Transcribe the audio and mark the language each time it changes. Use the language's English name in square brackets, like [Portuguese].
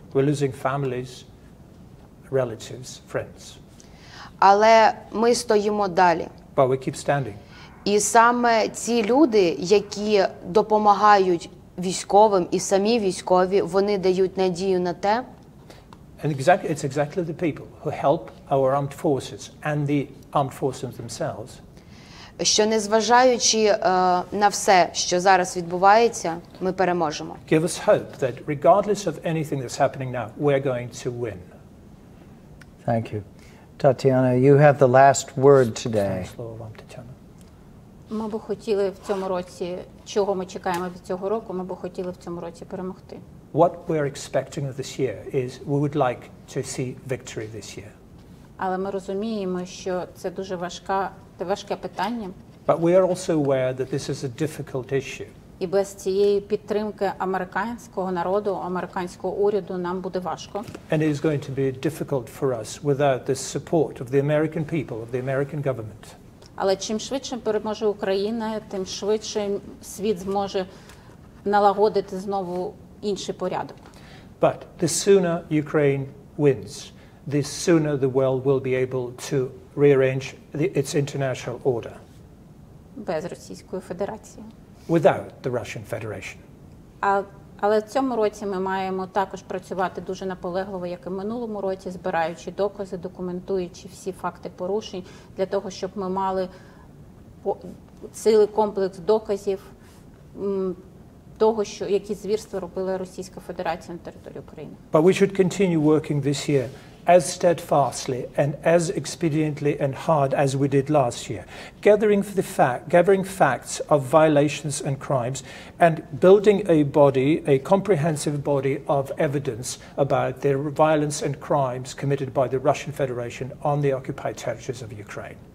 [English] We're losing families, relatives, friends. [Ukrainian] Але ми стоїмо далі. [English] But we keep standing. [Ukrainian] І саме ці люди, які допомагають військовим і самі військові, вони дають надію на те. [English] And exactly, it's exactly the people who help our armed forces and the armed forces themselves. [Ukrainian] Що незважаючи на все, що зараз відбувається, ми переможемо. [English] Give us hope that regardless of anything that's happening now, we're going to win. Thank you. Tetyana, you have the last word today. [Ukrainian] Ми би хотіли в цьому році, чого ми чекаємо від цього року, ми би хотіли в цьому році перемогти. [English] What we are expecting of this year is we would like to see victory this year. [Ukrainian] Але ми розуміємо, що це дуже важка, це важке питання. [English] But we are also aware that this is a difficult issue. [Ukrainian] І без цієї підтримки американського народу, американського уряду нам буде важко. [English] And it is going to be difficult for us without the support of the American people, of the American government. [Ukrainian] Але чим швидше переможе Україна, тим швидше світ зможе налагодити знову інший порядок. [English] But the sooner Ukraine wins, the sooner the world will be able to rearrange its international order. [Ukrainian] без Російської Федерації. [English] Without the Russian Federation. [Ukrainian] Але в цьому році ми маємо також працювати дуже наполегливо, як і в минулому році, збираючи докази, документуючи всі факти порушень, для того, щоб ми мали цілий комплекс доказів того, що які звірства робила Російська Федерація на території України. [English] But we should continue working this year as steadfastly and as expediently and hard as we did last year, gathering for the fact, gathering facts of violations and crimes, and building a body, a comprehensive body of evidence about the violence and crimes committed by the Russian Federation on the occupied territories of Ukraine.